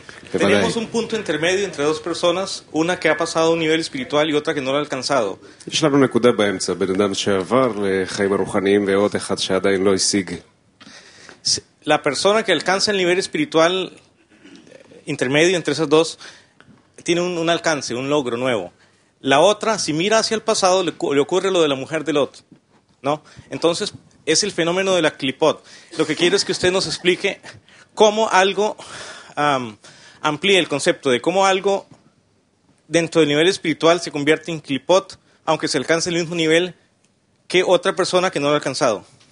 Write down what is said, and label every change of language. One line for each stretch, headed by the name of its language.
Spanish: Tenemos un punto intermedio entre dos personas, una que ha pasado a un nivel espiritual y otra que no lo ha alcanzado.
Hebrew: יש לנו נקודה באמצע, בן אדם שעבר לחיים הרוחניים ועוד אחד שעדיין לא השיג.
Spanish: La persona que alcanza el nivel espiritual intermedio entre esas dos tiene un alcance, un logro nuevo. La otra, si mira hacia el pasado, le ocurre lo de la mujer de Lot, ¿no? Entonces, es el fenómeno de la clipot. Lo que quiero es que usted nos explique cómo algo amplíe el concepto de cómo algo dentro del nivel espiritual se convierte en clipot, aunque se alcance el mismo nivel que otra persona que no lo ha alcanzado.